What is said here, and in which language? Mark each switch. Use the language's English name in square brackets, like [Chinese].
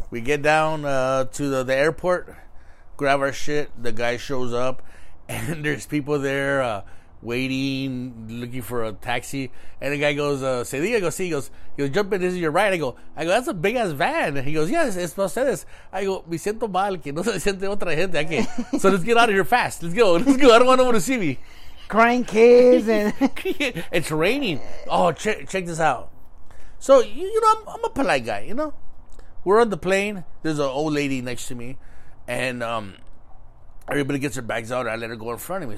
[English] We get down to the airport, grab our shit. The guy shows up, and there's people there waiting, looking for a taxi. And the guy goes, "Say, I go, see." He goes, jump in. This is your ride. I go, that's a big ass van. He goes, yes, it's Mercedes. [Spanish] I go, me siento mal que no se siente otra gente. [English] Okay, so let's get out of here fast. Let's go. I don't want nobody to see me. Crying kids and it's raining. Oh, check this out. So you know, I'm a polite guy. You know, we're on the plane. There's an old lady next to me, and everybody gets their bags out. I let her go in front of me.